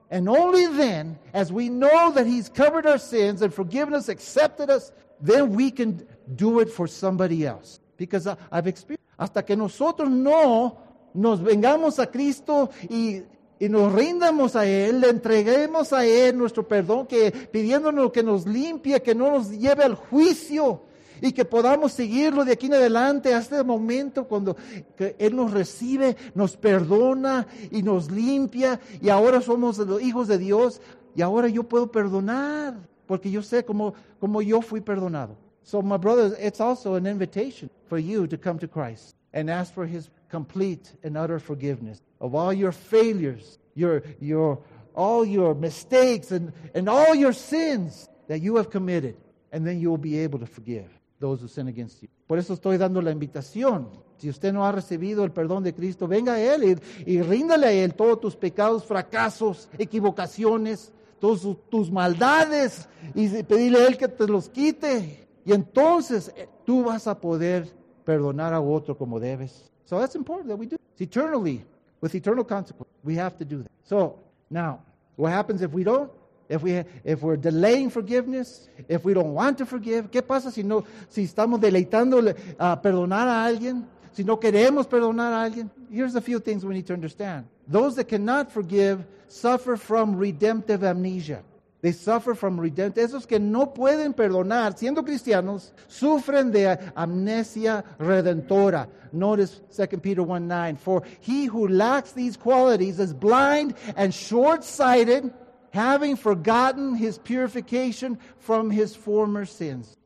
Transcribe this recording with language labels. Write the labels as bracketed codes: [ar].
[en] And only then, as we know that He's covered our sins and forgiven us, accepted us, then we can do it for somebody else. Because I've experienced [es] hasta que nosotros no nos vengamos a Cristo y nos rindamos a Él, le entreguemos a Él nuestro perdón, que pidiéndonos que nos limpie, que no nos lleve al juicio y que podamos seguirlo de aquí en adelante hasta el momento cuando que Él nos recibe, nos perdona y nos limpia, y ahora somos los hijos de Dios y ahora yo puedo perdonar porque yo sé cómo yo fui perdonado. [en] So my brothers, it's also an invitation for you to come to Christ and ask for His complete and utter forgiveness of all your failures, your all your mistakes and all your sins that you have committed, and then you will be able to forgive those who sin against you. [es] Por eso estoy dando la invitación. Si usted no ha recibido el perdón de Cristo, venga a Él y ríndale a Él todos tus pecados, fracasos, equivocaciones, todos tus maldades, y pedirle a Él que te los quite. Y entonces tú vas a poder perdonar a otro como debes. [en] So that's important that we do. It's eternally, with eternal consequence, we have to do that. So now, what happens if we don't? If we're delaying forgiveness, if we don't want to forgive, [es] ¿qué pasa si estamos deleitando a perdonar a alguien? Si no queremos perdonar a alguien? [en] Here's a few things we need to understand. Those that cannot forgive suffer from redemptive amnesia. They suffer from redemptive. [es] Esos que no pueden perdonar, siendo cristianos, sufren de amnesia redentora. [en] Notice 2 Peter 1:9. For he who lacks these qualities is blind and short-sighted, having forgotten his purification from his former sins.